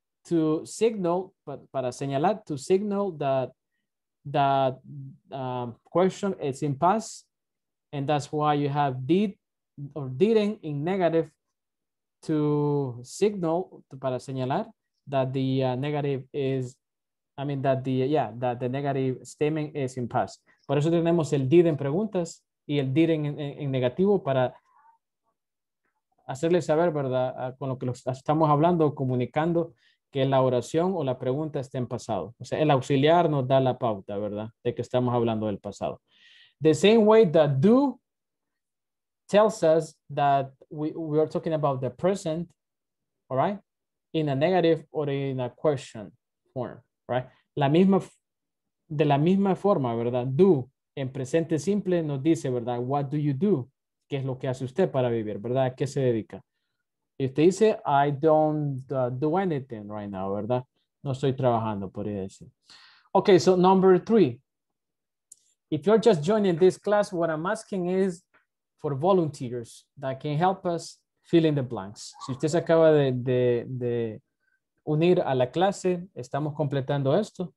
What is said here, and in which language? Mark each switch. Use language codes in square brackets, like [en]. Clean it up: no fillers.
[en] To signal, but [es] para señalar, [en] to signal that question is in past, and that's why you have did or didn't in negative to signal, para señalar, that the the negative statement is in past. [es] Por eso tenemos el did en preguntas y el did en negativo para hacerle saber, ¿verdad?, con lo que estamos hablando, comunicando que la oración o la pregunta está en pasado. O sea, el auxiliar nos da la pauta, ¿verdad?, de que estamos hablando del pasado. [en] The same way that do tells us that we are talking about the present, all right, in a negative or in a question form, right? [es] De la misma forma, ¿verdad? Do, en presente simple, nos dice, ¿verdad? [en] What do you do? [es] ¿Qué es lo que hace usted para vivir, ¿verdad? ¿A qué se dedica? Y usted dice, [en] I don't do anything right now, [es] ¿verdad? No estoy trabajando, podría decir. [en] Okay, so number three. If you're just joining this class, what I'm asking is for volunteers that can help us fill in the blanks. [es] Si usted se acaba de unir a la clase, estamos completando esto.